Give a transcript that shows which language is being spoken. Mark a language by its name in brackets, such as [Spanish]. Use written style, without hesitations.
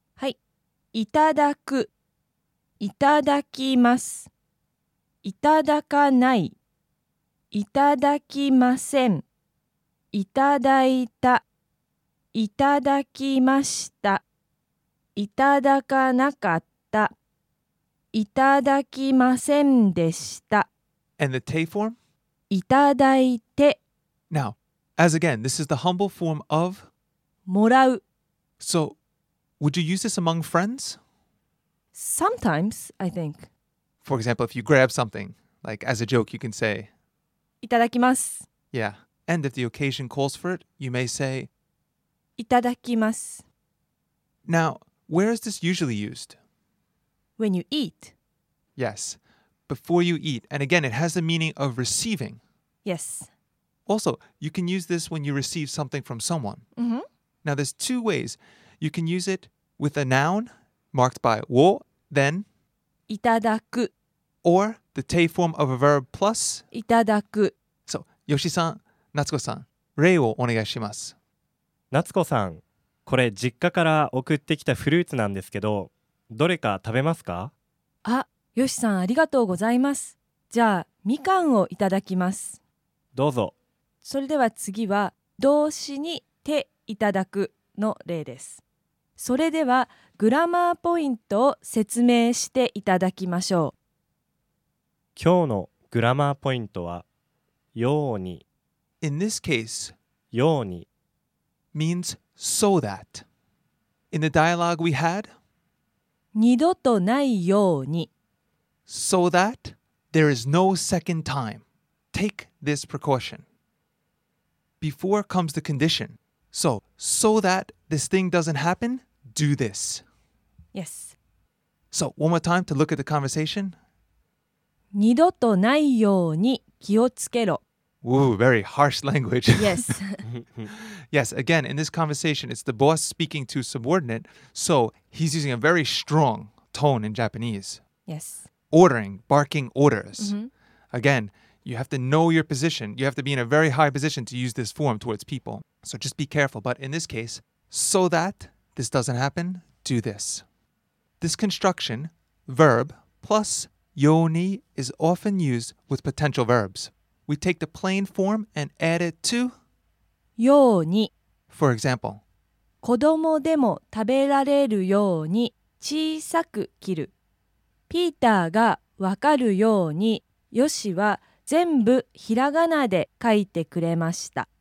[Japanese] はい、いただく、いただきます、いただかない、いただきません、いただいた、いただきました、いただかなかった、いただきませんでした。 [English] And the te form? [Japanese] いただいて。 [English] Now, as again, this is the humble form of [Japanese] もらう。 [English] So, would you use this among friends? Sometimes, I think. For example, if you grab something, like as a joke, you can say [Japanese] いただきます。 [English] Yeah, and if the occasion calls for it, you may say [Japanese] いただきます。 [English] Now, where is this usually used? When you eat. Yes, before you eat. And again, it has the meaning of receiving. Yes. Also, you can use this when you receive something from someone. Mm-hmm. Now, there's two ways. You can use it with a noun marked by を, then [Japanese] いただく, [English] or the te form of a verb plus [Japanese] いただく. So, Yoshi-san, Natsuko-san, 例をお願いします。夏子さん、これ実家から送ってきたフルーツなんですけど、どれか食べますか？あ、よしさん、ありがとうございます。じゃあ、みかんをいただきます。どうぞ。それでは次は、動詞に手いただくの例です。それでは、グラマーポイントを説明していただきましょう。今日のグラマーポイントは、ように。 [English] In this case、 [Japanese] ように。 [English] means so that. In the dialogue we had, [Japanese] 二度とないように [English] So that there is no second time. Take this precaution. Before comes the condition. So that this thing doesn't happen, do this. Yes. So one more time to look at the conversation. [Japanese] 二度とないように気をつけろ。 [English] Ooh, very harsh language. Yes. Yes, again, in this conversation, it's the boss speaking to subordinate, so he's using a very strong tone in Japanese. Yes. Ordering, barking orders. Mm-hmm. Again, you have to know your position. You have to be in a very high position to use this form towards people. So just be careful. But in this case, so that this doesn't happen, do this. This construction, verb, plus yoni, is often used with potential verbs. We take the plain form and add it to [Japanese] ように。 [English] For example, [Japanese] 子供でも食べられるように小さく切る。ピーターがわかるようにヨシは全部ひらがなで書いてくれました。